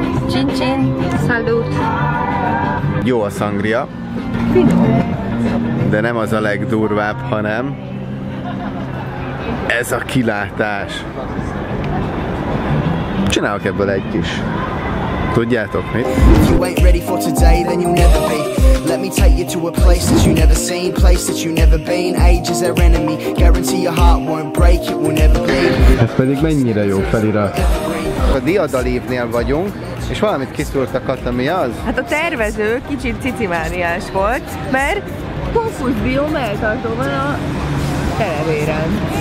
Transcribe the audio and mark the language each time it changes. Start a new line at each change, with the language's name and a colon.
Hungarian: Csin csin, szalut. Jó a szangria. De nem az a legdurvább, hanem ez a kilátás. Csinálok ebből egy kis. Tudjátok mit?
English: You ain't ready for today, then you'll never be. Let me take you to a place that you never seen, place that you never been. Age is our enemy, guarantee your heart won't break, it will never bleed.
Hungarian: Ez pedig mennyire jó felirat. A Diadalívnél vagyunk, és valamit kiszúrtak, Kata, mi az? Hát a tervező kicsit cicimániás volt, mert konfuz bió melltartó van a televéren.